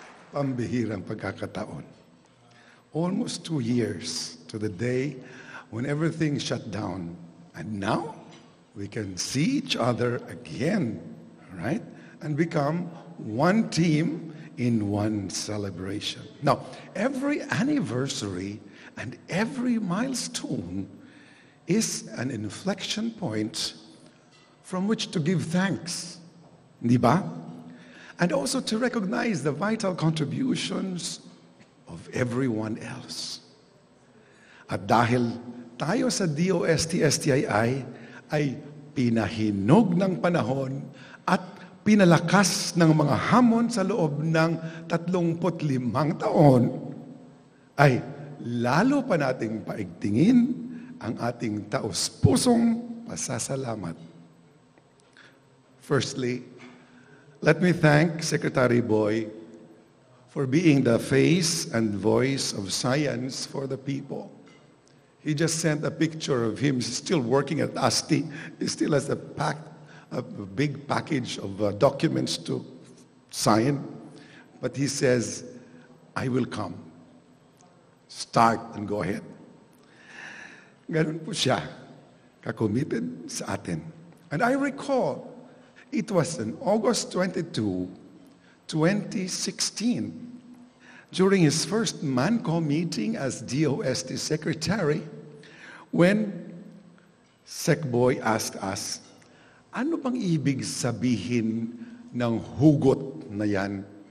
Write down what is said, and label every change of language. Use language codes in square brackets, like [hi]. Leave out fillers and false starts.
[tl] Pambihirang pagkakataon. [en] Almost 2 years to the day when everything shut down, and now we can see each other again, right? And become one team in one celebration. Now, every anniversary and every milestone is an inflection point from which to give thanks, diba? And also to recognize the vital contributions of everyone else. [tl] At dahil tayo sa DOST-STII ay pinahinog ng panahon at pinalakas ng mga hamon sa loob ng 35 taon. ay lalo pa nating paigtingin ang ating taus-pusong pasasalamat. [en] Firstly, let me thank Secretary Boy for being the face and voice of science for the people. He just sent a picture of him still working at DOST-STII. He still has a big package of documents to sign. But he says, I will come. Start and go ahead. [tl] Ganun po siya, kakomitted sa atin. [en] And I recall, it was on August 22, 2016, during his first MANCO meeting as DOST-STII Secretary, when Secboy asked us, [tl] ano bang ibig sabihin ng hugot na yan?